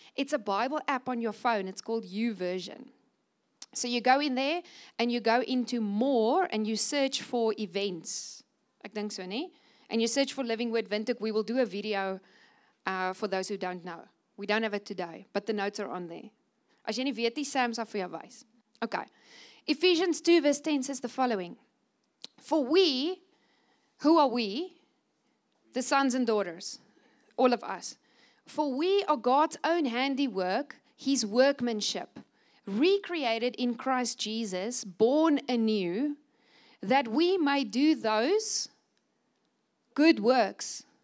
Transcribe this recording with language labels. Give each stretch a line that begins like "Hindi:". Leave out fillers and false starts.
English: It's a Bible app on your phone. It's called YouVersion. So you go in there and you go into more and you search for events.
Afrikaans: Ek dink so, nee?
English: And you search for Living Word Vintage. We will do a video for those who don't know. We don't have it today, but the notes are on there.
Afrikaans: As jy nie weet nie, Sam sal vir jou wys.
English: Okay. Ephesians 2 verse 10 says the following. For we, who are we? The sons and daughters, all of us. For we are God's own handiwork, his workmanship, recreated in Christ Jesus, born anew, that we may do those good works.